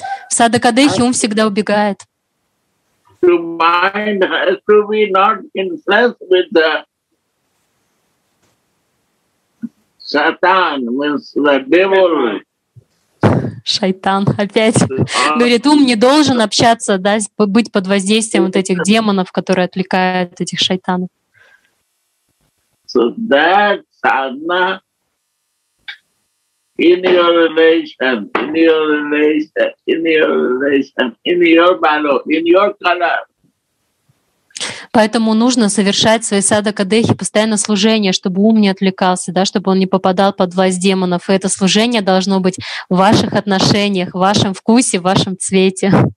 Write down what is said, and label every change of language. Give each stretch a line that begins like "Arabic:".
Russian: В садхакадехе ум всегда убегает.
English: To mind has to be not influenced with the Satan, with the devil.
Russian: Шайтан опять. Говорит, ум не должен общаться, да, быть под воздействием вот этих демонов, которые отвлекают этих шайтанов.
English: So that sadhana in your relation, in your color.
Russian: Поэтому нужно совершать свои садхакадехи постоянное служение, чтобы ум не отвлекался, да, чтобы он не попадал под власть демонов. И это служение должно быть в ваших отношениях, в вашем вкусе, в вашем цвете.